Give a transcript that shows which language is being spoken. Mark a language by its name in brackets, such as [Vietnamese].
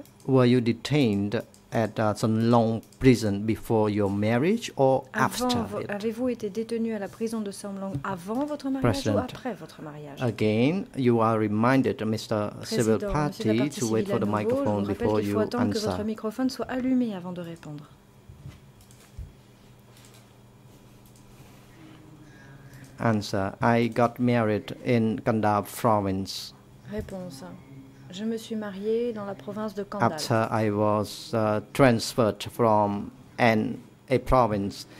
[English] Were you detained at some long prison before your marriage or after it? [French] Avez-vous été détenu à la prison de Somlong avant votre mariage ou après votre mariage? [English] Again, you are reminded, Mr. Civil Party, to wait for the microphone before you answer. [French] Je vous rappelle qu'il faut attendre que votre microphone soit allumé avant de répondre. [English] Answer. I got married in Kandah province. [French] Réponse. Je me suis marié dans la province de Kandah. [English] After I was transferred from a province.